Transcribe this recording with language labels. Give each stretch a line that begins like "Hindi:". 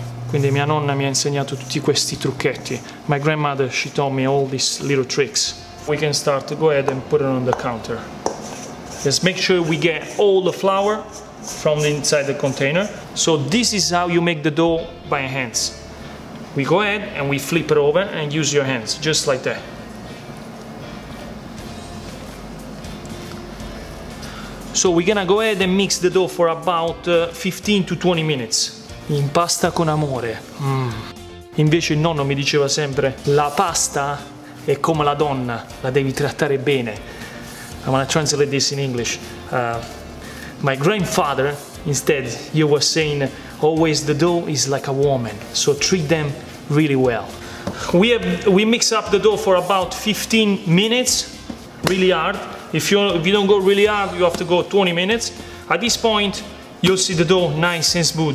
Italian: Quindi mia nonna mi ha insegnato tutti questi trucchetti.
English: My grandmother, she taught me all these little tricks. We can start to go ahead and put it on the counter. Let's make sure we get all the flour from inside the container. So this is how you make the dough by hands. We go ahead and we flip it over and use your hands, just like that. So we're gonna go ahead and mix the dough for about 15 to 20 minutes.
Italian: Impasta con amore. Mm. Invece il nonno mi diceva sempre, la pasta è come la donna, la devi trattare bene.
English: I'm gonna translate this in English. My grandfather, instead, he was saying, always the dough is like a woman, so treat them really well. We mix up the dough for about 15 minutes, really hard. If you don't go really hard, you have to go 20 minutes. At this point, you'll see the dough nice and smooth.